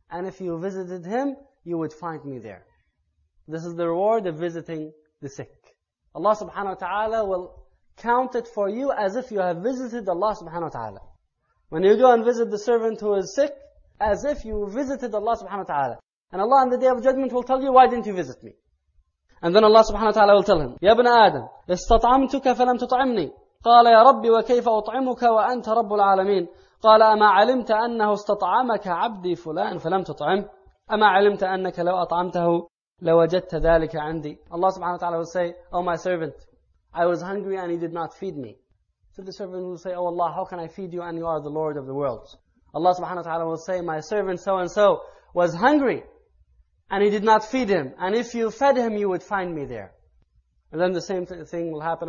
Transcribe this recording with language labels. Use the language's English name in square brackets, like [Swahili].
[English] And if you visited him, you would find me there. This is the reward of visiting the sick. Allah subhanahu wa ta'ala will count it for you as if you have visited Allah subhanahu wa ta'ala. When you go and visit the servant who is sick, as if you visited Allah subhanahu wa ta'ala. And Allah on the day of judgment will tell you, why didn't you visit me? And then Allah subhanahu wa ta'ala will tell him, [Arabic] يا ابن آدم استطعمتك فلم تطعمني قال يا ربي وكيف أطعمك وأنت رب العالمين قال أما علمت أنه استطعمك عبدي فلان فلم تطعم أما علمت أنك لو أطعمته لوجدت ذلك عندي. [English] Allah subhanahu wa ta'ala will say, oh my servant, I was hungry and he did not feed me. So the servant will say, oh Allah, how can I feed you and you are the Lord of the worlds? Allah subhanahu wa ta'ala will say, my servant so and so was hungry and he did not feed him. And if you fed him, you would find me there. And then the same thing will happen.